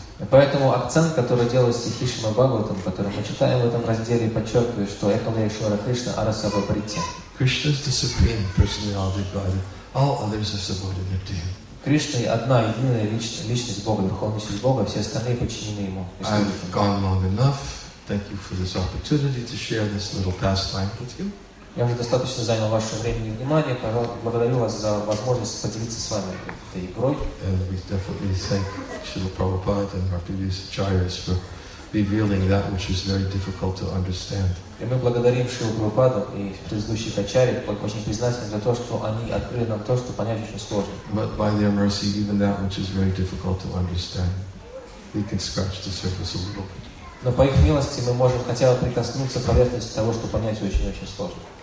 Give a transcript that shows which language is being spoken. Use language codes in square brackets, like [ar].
[ru] Поэтому акцент, который делает стихи Шрима Бхагаватам, который мы читаем в этом разделе, подчеркивает, что Экала Ишвара Кришна Арасаба Бритти. [en] Krishna is the supreme personality of God. All others are subordinate to Him. [ru] Кришна одна единая личность Бога, верховность Бога, все остальные подчинены Ему. [en] I've gone long enough. Thank you for this opportunity to share this little pastime with you. [ru] Я уже достаточно занял ваше время и внимание. Благодарю вас за возможность поделиться с вами этой игрой. [en] And we definitely thank Srila Prabhupada and our previous acharyas for revealing that which is very difficult to understand. [ru] И мы благодарим Шрилу Прабхупаду и предыдущих ачарий, очень признательны за то, что они открыли нам то, что понять очень сложно. [en] But by their mercy, even that which is very difficult to understand, we can scratch the surface a little bit. [ru] Но по их милости мы можем хотя бы прикоснуться к поверхности того, что понять очень-очень сложно.